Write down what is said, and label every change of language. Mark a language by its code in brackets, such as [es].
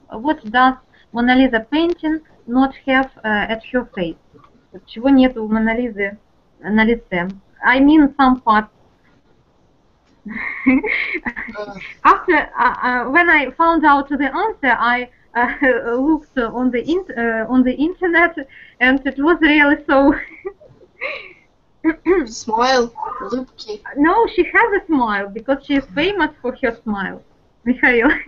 [en] What does Mona Lisa painting not have at her face? [ru] Чего нет у Мона Лизы на лице? [en] I mean some parts. After when I found out the answer, I looked on the internet, and it was really so. Smile, [ru] улыбки. [en] No, she has a smile because she is famous for her smile. Михаил.